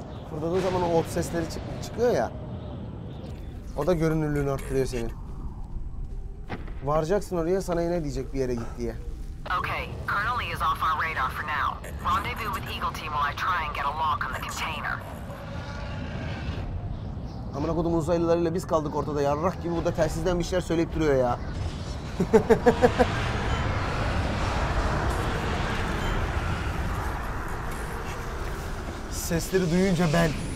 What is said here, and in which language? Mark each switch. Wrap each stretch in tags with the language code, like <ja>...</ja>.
<tr>Kurduğun zaman o ot sesleri çıkıyor ya. O da görünürlüğünü arttırıyor senin. Varacaksın oraya, sana yine diyecek bir yere git diye.</tr> <en>Okay, Colonel Lee is off our radar for now. Rendezvous with Eagle Team while I try and get a lock on the container.</en> <tr>Amına kodum, uzaylılarıyla biz kaldık ortada. Yarrak gibi bu da telsizden bir şeyler söyleyip duruyor ya. Sesleri duyunca ben.</tr>